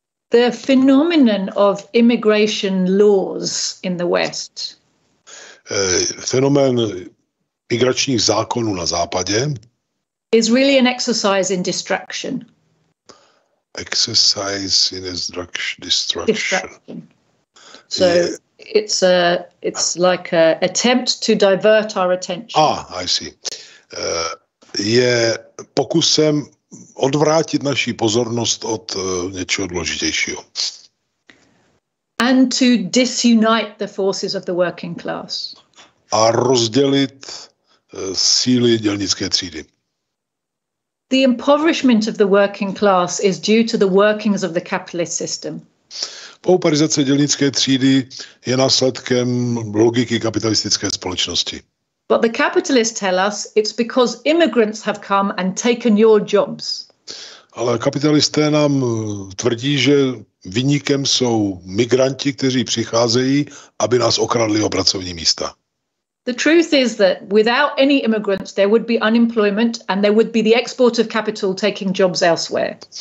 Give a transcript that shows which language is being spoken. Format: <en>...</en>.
<en>The phenomenon of immigration laws in the West.</en> <cs>Fenomén migračních zákonů na západě</cs> <en>is really an exercise in distraction. Exercise in destruction. So it's like a attempt to divert our attention. Ah, I see.</en> <cs>Je pokusem odvrátit naši pozornost od něčeho důležitějšího.</cs> <en>And to disunite the forces of the working class.</en> <cs>A rozdělit síly dělnické třídy.</cs> <en>The impoverishment of the working class is due to the workings of the capitalist system.</en> <cs>Pauperizace dělnické třídy je následkem logiky kapitalistické společnosti.</cs> <en>But the capitalists tell us it's because immigrants have come and taken your jobs.</en> <cs>Ale kapitalisté nám tvrdí, že viníkem jsou migranti, kteří přicházejí, aby nás okradli o pracovní místa.</cs> <en>The truth is that without any immigrants there would be unemployment and there would be the export of capital taking jobs elsewhere.</en>